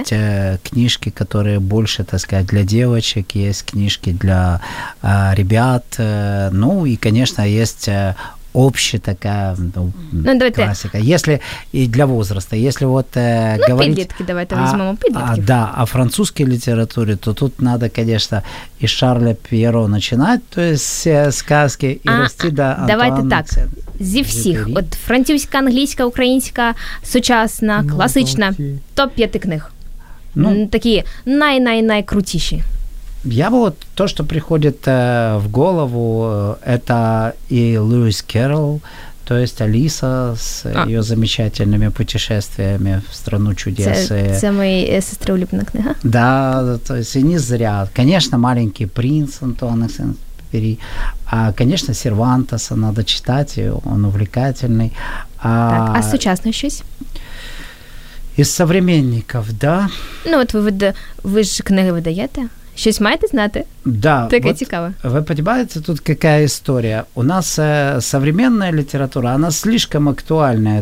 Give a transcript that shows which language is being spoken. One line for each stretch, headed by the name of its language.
Russian: Есть книжки, которые больше, так сказать, для девочек, есть книжки для ребят, ну и, конечно, есть общая такая классика. Если и для возраста, если вот говорить... Ну, пидлетки, давайте возьмем пидлетки. Да, о французской литературе, то тут надо, конечно, и Шарля Пьеро начинать, то есть сказки, и расти до Антуана. Давайте так.
Ukrainian: Зі всіх, от французька, англійська, українська, сучасна, класична, топ-5 книг. Ну, такі най-най-найкрутіші. Я би от, то, що приходить в голову, це і Льюіс Керрол, то есть Аліса з її замечательними путешествиями
Russian: в страну чудес.
Ukrainian: Це моя сестра улюблена книга.
Russian: Да, то есть і не зря. Конечно, «Маленький принц» Антуана Сен-Екзюпері. А, конечно, Сервантеса надо читать, он увлекательный. Так, а сучасное что-то? Из современников, да. Ну, вот вы же книги выдаете. Что-то маете знать? Да. Так вот, интересно. Вы понимаете, тут какая история? У нас современная литература, она слишком актуальная.